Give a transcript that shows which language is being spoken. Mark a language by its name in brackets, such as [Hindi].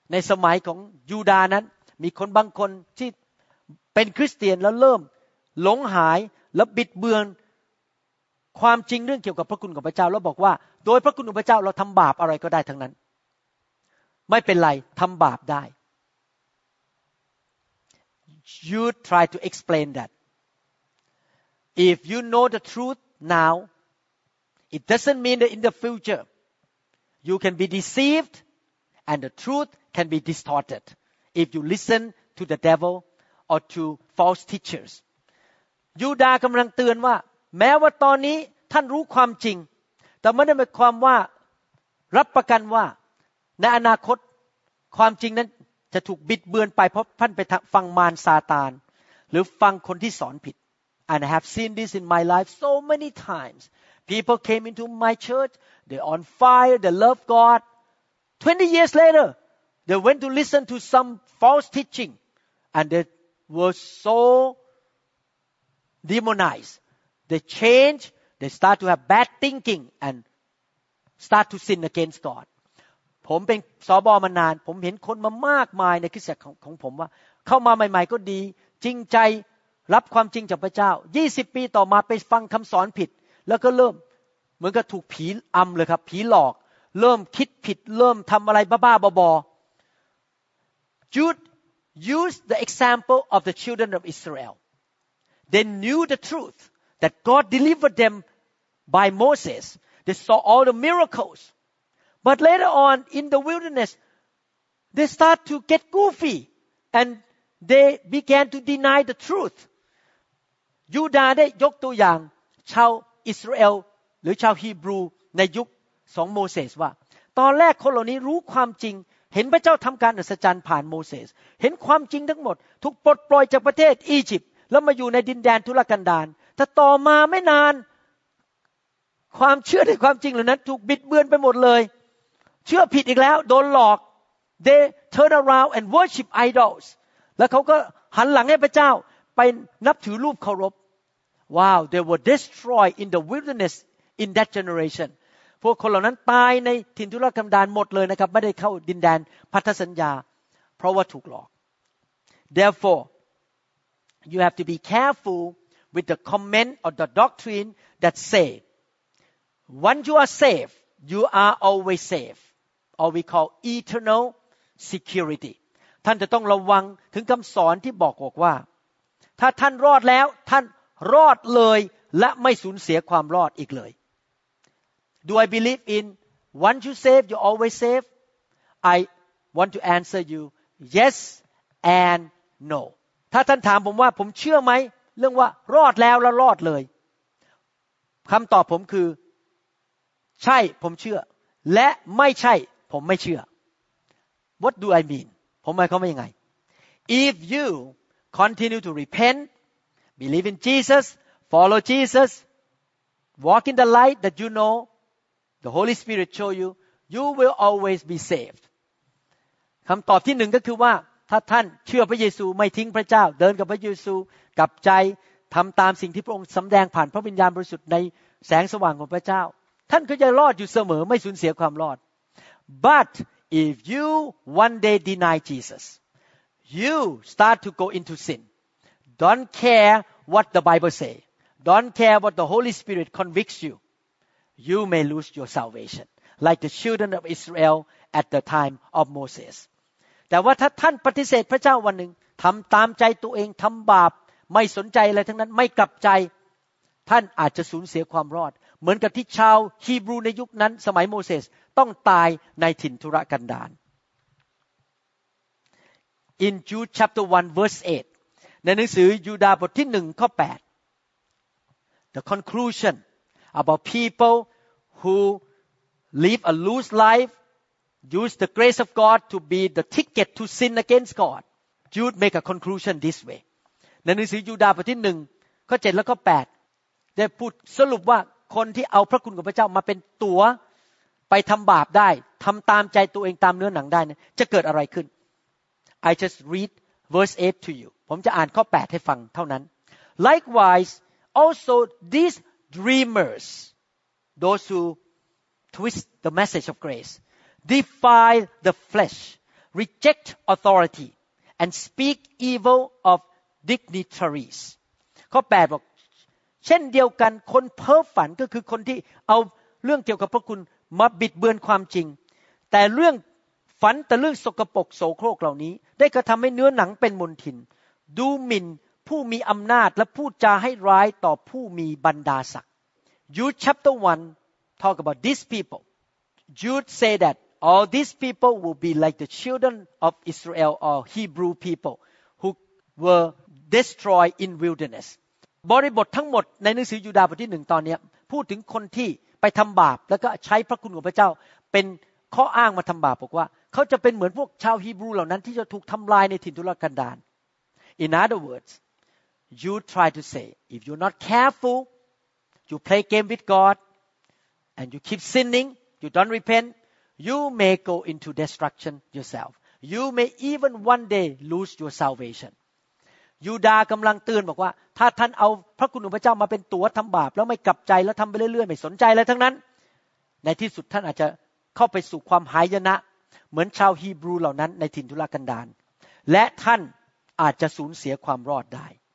[Thai] ในสมัยของยูดาห์นั้นมีคนบางคนที่เป็นคริสเตียนแล้วเริ่มหลงหายและบิดเบือนความจริงเรื่องเกี่ยวกับพระคุณของพระเจ้าแล้วบอกว่าโดยพระคุณของพระเจ้าเราทำบาปอะไรก็ได้ทั้งนั้นไม่เป็นไรทำบาปได้ [English] You try to explain that. If you know the truth now,It doesn't mean that in the future you can be deceived and the truth can be distorted if you listen to the devil or to false teachers. [Thai] ยูดาห์กำลังเตือนว่าแม้ว่าตอนนี้ท่านรู้ความจริงแต่ไม่ได้หมายความว่ารับประกันว่าในอนาคตความจริงนั้นจะถูกบิดเบือนไปเพราะท่านไปฟังมารซาตานหรือฟังคนที่สอนผิด [English] And I have seen this in my life so many times. People came into my church, they're on fire, they love God. 20 years later, they went to listen to some false teaching and they were so demonized. they change, they start to have bad thinking and start to sin against God. [Thai] ผมเป็นสบมานานผมเห็นคนมามากมายในคริสตจักรของผมว่าเข้ามาใหม่ๆก็ดีจริงใจรับความจริงจากพระเจ้า20ปีต่อมาไปฟังคำสอนผิดแล้วก็เริ่มเหมือนกับถูกผีอำเลยครับผีหลอกเริ่มคิดผิดเริ่มทำอะไรบ้าๆบ [English] อๆ Jude used the example of the children of Israel. They knew the truth that God delivered them by Moses. They saw all the miracles. But later on in the wilderness, they start to get goofy and they began to deny the truth. [Thai] Judah ได้ยกตัวอย่างชาวอิสราเอลหรือชาวฮีบรูในยุคสองโมเสสว่าตอนแรกคนเหล่านี้รู้ความจริงเห็นพระเจ้าทำการอัศจรรย์ผ่านโมเสสเห็นความจริงทั้งหมดถูกปลดปล่อยจากประเทศอียิปต์แล้วมาอยู่ในดินแดนทุรกันดารแต่ต่อมาไม่นาน ความเชื่อในความจริงเหล่านั้นถูกบิดเบือนไปหมดเลยเชื่อผิดอีกแล้วโดนหลอก [English] they turn around and worship idols [Thai] แล้วเขาก็หันหลังให้พระเจ้าไปนับถือรูปเคารพ [English] wow they were destroyed in the wilderness in that generation [Thai] พวกคนเหล่านั้นตายในถิ่นทุรกันดารหมดเลยนะครับไม่ได้เข้าดินแดนพันธสัญญาเพราะว่าถูกหลอก [English] therefore you have to be careful with the comment or the doctrine that say once you are safeYou are always safe, or we call eternal security. [Thai] ท่านจะต้องระวังถึงคำสอนที่บอกว่าถ้าท่านรอดแล้วท่านรอดเลยและไม่สูญเสียความรอดอีกเลย [English] Do I believe in once you save, you always save? I want to answer you yes and no. [Thai] ถ้าท่านถามผมว่าผมเชื่อไหมเรื่องว่ารอดแล้วและรอดเลยคำตอบผมคือใช่ผมเชื่อและไม่ใช่ผมไม่เชื่อ [English] What do I mean [Thai] ผมหมายความว่ายังไง [English] If you continue to repent believe in Jesus follow Jesus walk in the light that you know the Holy Spirit show you will always be saved [Thai] คำตอบที่หนึ่งก็คือว่าถ้าท่านเชื่อพระเยซูไม่ทิ้งพระเจ้าเดินกับพระเยซูกลับใจทำตามสิ่งที่พระองค์สำแดงผ่านพระวิญญาณบริสุทธิ์ในแสงสว่างของพระเจ้าท่านก็จะรอดอยู่เสมอไม่สูญเสียความรอด [English] But if you one day deny Jesus you start to go into sin don't care what the Bible say don't care what the Holy Spirit convicts you may lose your salvation like the children of Israel at the time of Moses [Thai] แต่ว่าถ้าท่านปฏิเสธพระเจ้าวันหนึ่งทำตามใจตัวเองทำบาปไม่สนใจอะไรทั้งนั้นไม่กลับใจท่านอาจจะสูญเสียความรอดเหมือนกับที่ชาวฮีบรูในยุคนั้นสมัยโมเสสต้องตายในถิ่นทุรกันดาร [English] In Jude chapter 1 verse 8 [Thai] ในหนังสือยูดาห์บทที่1ข้อ8 [English] The conclusion about people who live a loose life use the grace of God to be the ticket to sin against God Jude make a conclusion this way [Thai] ในหนังสือยูดาห์บทที่1ข้อ7และข้อ8ได้พูดสรุปว่าคนที่เอาพระคุณของพระเจ้ามาเป็นตัวไปทำบาปได้ทำตามใจตัวเองตามเนื้อหนังได้นะจะเกิดอะไรขึ้น [English] I just read verse 8 to you [Thai] ผมจะอ่านข้อ8ให้ฟังเท่านั้น [English] Likewise also these dreamers those who twist the message of grace defy the flesh reject authority and speak evil of dignitaries [Thai] ข้อ8บอกเช่นเดียวกันคนเพ้อฝันก็คือคนที่เอาเรื่องเกี่ยวกับพระคุณมาบิดเบือนความจริงแต่เรื่องฝันแต่เรื่องสกปรกโสโครกเหล่านี้ได้กระทำให้เนื้อหนังเป็นมลทินดูหมิ่นผู้มีอำนาจและพูดจาให้ร้ายต่อผู้มีบรรดาศักดิ์ [English] Jude chapter 1 talk about these people Jude say that all these people will be like the children of Israel or Hebrew people who were destroyed in wilderness. [Thai] บริบททั้งหมดในหนังสือยูดาห์บทที่1ตอนนี้พูดถึงคนที่ไปทำบาปแล้วก็ใช้พระคุณของพระเจ้าเป็นข้ออ้างมาทำบาปบอกว่าเขาจะเป็นเหมือนพวกชาวฮีบรูเหล่านั้นที่จะถูกทำลายในถิ่นทุรกันดาร [English] In other words you try to say if you're not careful you play game with God and you keep sinning you don't repent you may go into destruction yourself you may even one day lose your salvation [Thai] ยูดาห์กำลังเตือนบอกว่าถ้าท่านเอาพระคุณของพระเจ้ามาเป็นตัวทำบาปแล้วไม่กลับใจแล้วทำไปเรื่อยๆไม่สนใจอะไรทั้งนั้นในที่สุดท่านอาจจะเข้าไปสู่ความหายนะเหมือนชาวฮีบรูเหล่านั้นในถิ่นทุรกันดารและท่านอาจจะสูญเสียความรอดได้